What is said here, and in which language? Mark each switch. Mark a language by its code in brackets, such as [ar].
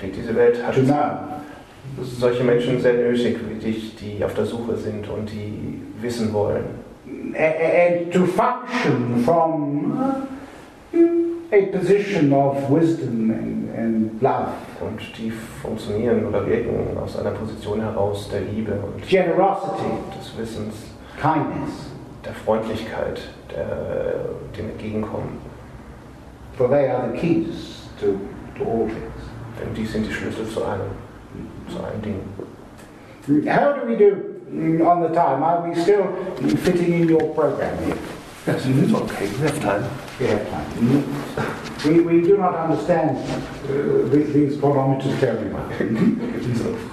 [de] Diese Welt hat solche Menschen sehr nötig wie dich, die auf der Suche sind und die wissen wollen. [en] And to function from a position of wisdom and love. [de] Und die funktionieren oder wirken aus einer Position heraus der Liebe und [en] generosity, [de] des Wissens, [en] kindness, [de] der Freundlichkeit, der, dem Entgegenkommen. [en] For they are the keys to all things. [de] Denn die sind die Schlüssel zu einem Ding. [en] How do we do on the time? Are we still fitting in your program here? Yes, it's okay. We have time. We have time. We do not understand these parameters very well.